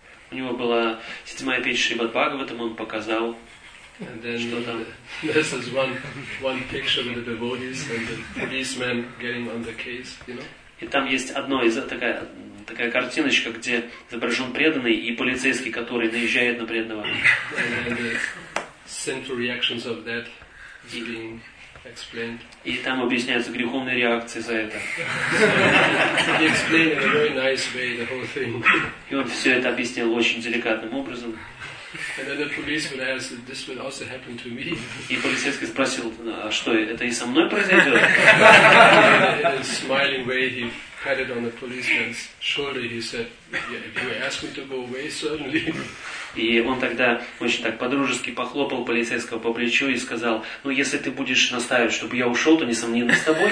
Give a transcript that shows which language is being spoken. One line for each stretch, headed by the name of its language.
Russian: У него была седьмая печь Шримад Бхагаватам, он показал, что там.
English: This is one picture with the devotees and the policeman getting on the case, you know?
Russian: И там есть одно из такая картиночка, где изображен преданный и полицейский, который наезжает на преданного.
English: And the sinful reactions of that is being explained.
Russian: И там объясняются греховные реакции за это.
English: He explained in a very nice way the whole thing.
Russian: И он все это объяснил очень деликатным образом.
English: And then the policeman asked, "This will also happen to me?"
Russian: И полицейский спросил: "А что, это и со мной произойдет?"
English: In a smiling way, he patted on the policeman's shoulder. He said, "Yeah, if you ask me to go away, certainly."
Russian: И он тогда очень так по-дружески похлопал полицейского по плечу и сказал: ну, если ты будешь настаивать, чтобы я ушел, то, несомненно, с тобой